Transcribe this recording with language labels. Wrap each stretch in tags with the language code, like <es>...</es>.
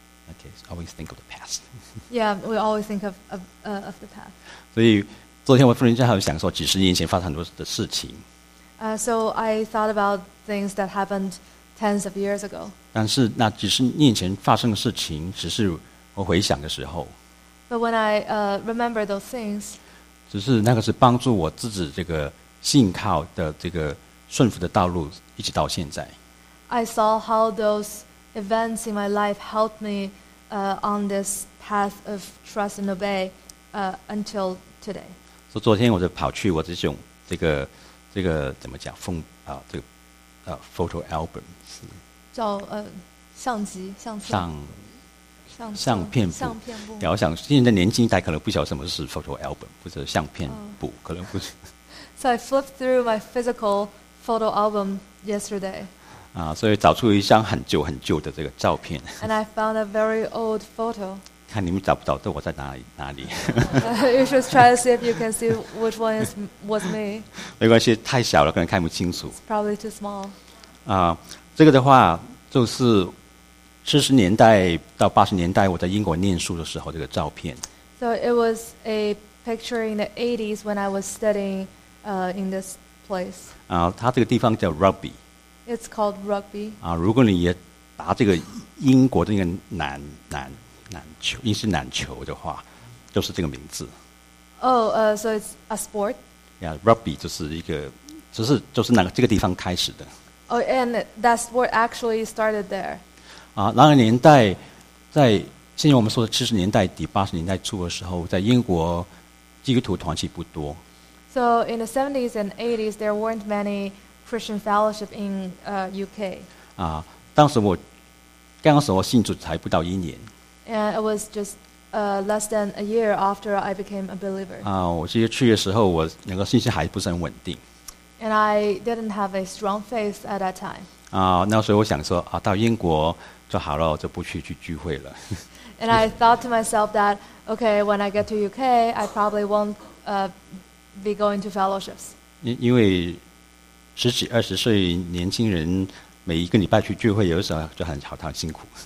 <en>Okay, so always think of the past Yeah, we always think of the past</en> <zh>所以昨天我突然间还想说几十年前发生很多的事情</zh> <en>So I thought about things that happened tens of years ago</en> <zh>但是那几十年前发生的事情只是我回想的时候</zh> <en>But when I remember those things,</en> <zh>只是那个是帮助我自己这个信靠的这个顺服的道路，一直到现在。</zh> <en>I saw how those events in my life helped me, on this path of trust and obey, until today.</en> <zh>所以昨天我就跑去我这种这个怎么讲封啊这个啊 photo album 是叫相册。相片簿，然后想现在年轻一代可能不晓得什么是 photo album， 或者相片簿， oh. 可能不是。</zh> <en>So I flipped through my physical photo album yesterday.</en> <zh>啊，所以找出一张很旧很旧的这个照片。</zh> <en>And I found a very old photo.</en> <zh>看你们找不找到我在哪里。</zh> <en>You should try to see if you can see which one was me.</en> <zh>没关系，太小了，可能看不清楚。</zh> <en>It's probably too small.</en> <zh>啊，这个的话就是。 70年代到80年代，我在英国念书的时候，这个照片。</zh> <en>So it was a picture in the 80s when I was studying, in this place.</en> <zh>啊，它这个地方叫 Rugby.</zh> <en>It's called Rugby.</en> <zh>啊，如果你也打这个英国的那个篮球，英式篮球的话，就是这个名字。</zh> <en>Oh, so it's a sport.</en> <zh>Yeah, Rugby 就是一个，就是那个这个地方开始的。</zh> <en>Oh, and that sport actually started there.</en> <zh>啊，那个年代，在现在我们说的70年代底80年代初的时候，在英国基督徒团体不多。</zh> <en>So in the 70s and 80s, there weren't many Christian fellowship in UK.</en> <zh>啊，当时我信主才不到一年。</zh> <en>And it was just less than a year after I became a believer.</en> <zh>啊，我其实去的时候，我那个信心还不是很稳定。</zh> <en>And I didn't have a strong faith at that time.</en> <zh>啊，那所以我想说啊，到英国就好了，就不去去聚会了。</zh> <en>And I thought to myself that okay, when I get to UK, I probably won't be going to fellowships.</en> <zh>因为十几二十岁年轻人每一个礼拜去聚会，有的时候就很好，他很辛苦。</zh>